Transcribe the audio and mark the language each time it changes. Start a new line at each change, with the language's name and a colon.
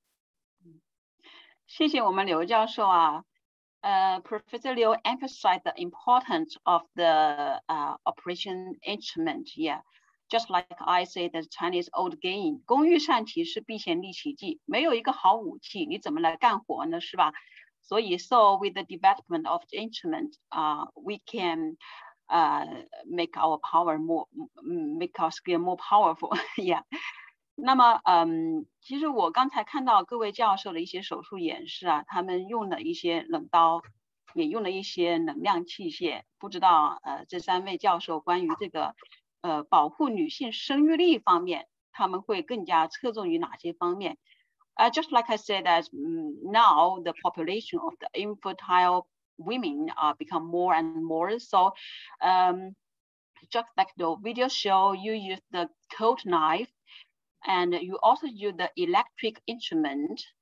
Chinese: 所以我们真的是那个非常感谢这次会议啊，请大家多提提问题吧。谢谢我们刘教授啊。
English: Professor Liu emphasized the importance of the operation instrument. Yeah. Just like I say the Chinese old game,
Chinese: 工欲善其事,必先利其器,没有一个好武器,你怎么来干活呢,是吧?
English: So with the development of the instrument, we can make our power more, make our skill more powerful, yeah.
Chinese: 那么, 其实我刚才看到各位教授的一些手术演示啊, 他们用了一些冷刀, 也用了一些冷量器械, 不知道, 这三位教授关于这个, 保护女性生育力方面，他们会更加侧重于哪些方面？
English: Just like I said that now the population of the infertile women are become more and more. So, just like the video show, you use the cold knife, and you also use the electric instrument.